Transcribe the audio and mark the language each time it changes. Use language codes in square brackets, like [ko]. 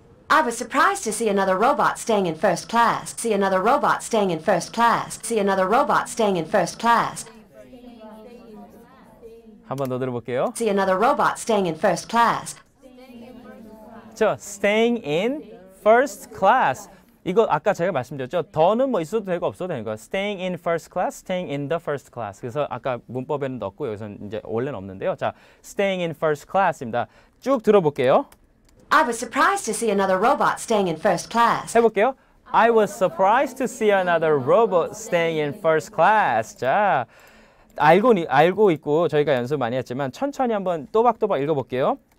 [en] I was surprised to see another robot staying in first class. See another robot staying in first class. See another robot staying in first class. [ko] 한 번 더 들어볼게요. [en] See another robot staying in first class. 저 staying in first class. [ko] 이거 아까 제가 말씀드렸죠. 더는 뭐 있어도 되고 없어도 되는 거예요. [en] Staying in first class, staying in the first class. [ko] 그래서 아까 문법에는 넣고 여기서는 이제 원래는 없는데요. [en] 자, staying in first class입니다. [ko] 쭉 들어볼게요. [en] I was surprised to see another robot staying in first class. [ko] 해볼게요. [en] I was surprised to see another robot staying in first class. [ko] 자, 알고 있고 저희가 연습 많이 했지만 천천히 한번 또박또박 읽어볼게요.